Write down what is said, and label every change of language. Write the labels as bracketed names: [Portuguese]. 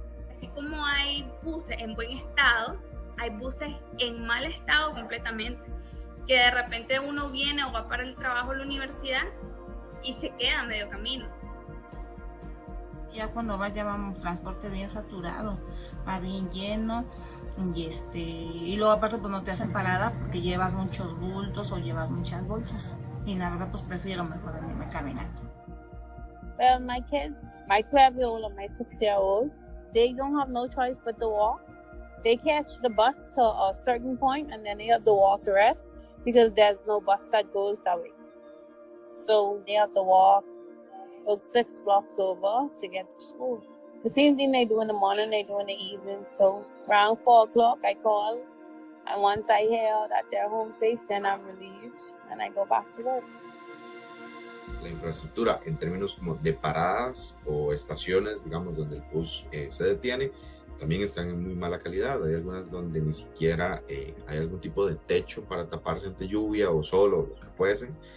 [Spanish] Así como hay buses en buen estado, hay buses en mal estado completamente, que de repente uno viene o va para el trabajo o la universidad y se queda a medio camino. Ya cuando va, ya va un transporte bien saturado, va bien lleno, y luego aparte pues no te hacen parada porque llevas muchos bultos o llevas muchas bolsas, y la verdad pues prefiero mejor venirme caminando. [English] Well, my kids, my 12-year-old and my 6-year-old, they don't have no choice but to walk. They catch the bus to a certain point and then they have to walk the rest because there's no bus that goes that way. So they have to walk about 6 blocks over to get to school. The same thing they do in the morning, they do in the evening. So around 4 o'clock, I call. And once I hear that they're home safe, then I'm relieved and I go back to work. [Spanish] La infraestructura en términos como de paradas o estaciones, digamos, donde el bus se detiene, también están en muy mala calidad. Hay algunas donde ni siquiera hay algún tipo de techo para taparse ante lluvia o sol o lo que fuese.